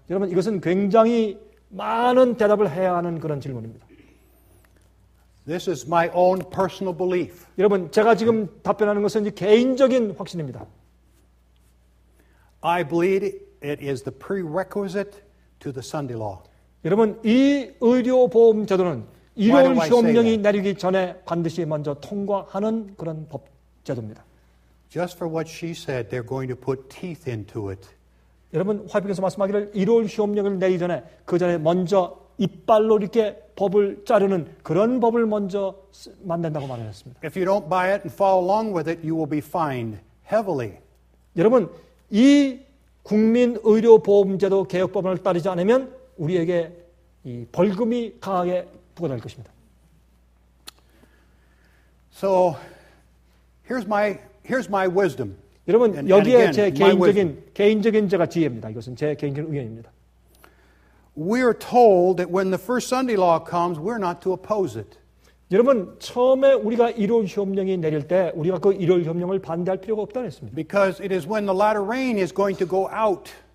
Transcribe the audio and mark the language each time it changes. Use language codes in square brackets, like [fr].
[ko] 여러분, 이것은 굉장히 많은 대답을 해야 하는 그런 질문입니다. [en] This is my own personal belief. [ko] 여러분, 제가 지금 답변하는 것은 이제 개인적인 확신입니다. [en] I believe it is the prerequisite to the Sunday law. [ko] 여러분, 이 의료 보험 제도는 일요일 시험령이 내리기 전에 반드시 먼저 통과하는 그런 법 제도입니다. [en] Just for what she said, they're going to put teeth into it. [ko] 여러분, 화이트에서 말씀하기를 일요일 시험령을 내리기 전에 그 전에 먼저 이빨로 이렇게 법을 자르는 그런 법을 먼저 만든다고 말했습니다. [en] If you don't buy it and follow along with it, you will be fined heavily. [ko] 여러분, 이 국민 의료 보험제도 개혁법을 따르지 않으면 우리에게 이 벌금이 강하게 부과될 것입니다. [en] So here's my wisdom. [ko] 여러분, 여기에 제 개인적인 제가 지혜입니다. 이것은 제 개인적인 의견입니다. [en] We are told that when the first Sunday law comes, we're not to oppose it. [ko] 여러분, 처음에 우리가 일요일 시험령이 내릴 때 우리가 그 일요일 시험령을 반대할 필요가 없다 했습니다. [en] Because it is when the latter rain is going to go out.